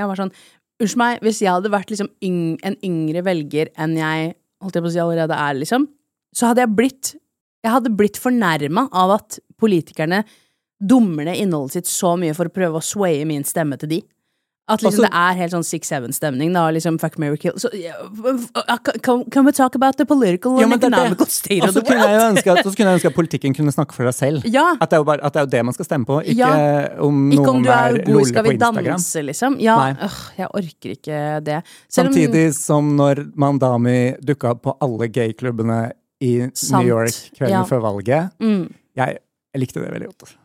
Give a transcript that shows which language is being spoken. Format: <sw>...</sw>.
<no>Jeg var sånn, unnskyld meg, hvis jeg hadde vært liksom en yngre velger enn jeg... holdt jeg på å si allerede liksom, så hadde jeg hadde blitt fornærmet av at politikerne dummer ned innholdet sitt så mye for å prøve å swaye min stemme til de. At liksom, altså, det helt sånn 6-7 stemning da, liksom,</no> <en>fuck, marry, kill. Så, can we talk about the political and economical state of the world?</en> <no>Så kunne jeg ønske at politikken kunne snakke for deg selv. Ja. At det bare, at det det man skal stemme på, ikke ja. Om noen ikke om er god, lolle på Instagram. Ikke om du er god, skal vi danse, ja, jeg orker ikke det. Samtidig som når Mandami dukket på alle gayklubbene I New York kvelden ja. Før valget, jeg likte det veldig godt.</no>